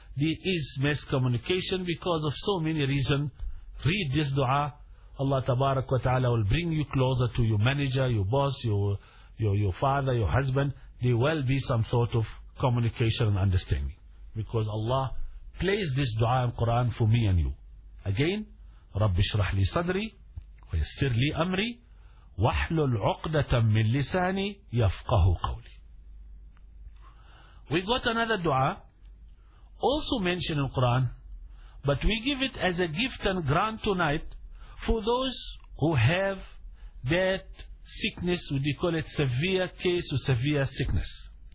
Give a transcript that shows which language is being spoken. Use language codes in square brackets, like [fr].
[en] There is miscommunication because of so many reasons. Read this dua. Allah tabarak wa ta'ala will bring you closer to your manager, your boss, your father, your husband. There will be some sort of communication and understanding. because Allah placed this dua in Quran for me and you. [ar] Again, رَبِّ شْرَحْ لِي صَدْرِي وَيَسِّرْ لِي أَمْرِي وَحْلُلْ عُقْدَةً مِّن لِسَانِي يَفْقَهُ قَوْلِي. [en] We got another dua, also mentioned in Quran, but we give it as a gift and grant tonight for those who have that sickness, we call it severe case or severe sickness.